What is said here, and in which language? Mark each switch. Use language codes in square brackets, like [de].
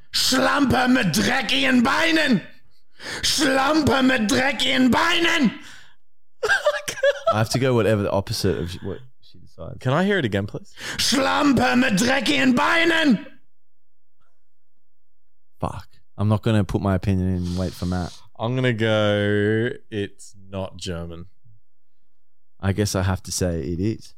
[de] Schlampe mit dreckigen Beinen. Schlampe mit dreckigen Beinen. [en] I have to go whatever the opposite of what she decides. Can I hear it again, please? [de] Schlampe mit dreckigen Beinen. [en] Fuck. I'm not going to put my opinion in and wait for Matt. I'm going to go, it's not German. I guess I have to say it is.